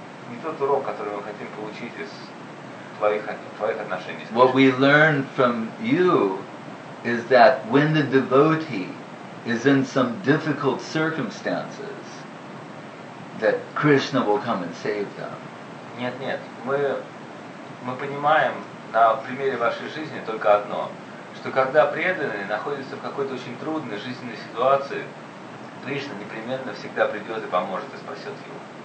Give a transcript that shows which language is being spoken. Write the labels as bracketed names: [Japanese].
[Russian] Не тот урок, который мы хотим получить из твоих отношений. [English] What we learn from you is that when the devotee is in some difficult circumstances, that Krishna will come and save them. [Russian] Нет. Мы понимаем на примере вашей жизни только одно, что когда преданный находится в какой-то очень трудной жизненной ситуации, Кришна непременно всегда придет и поможет и спасет его.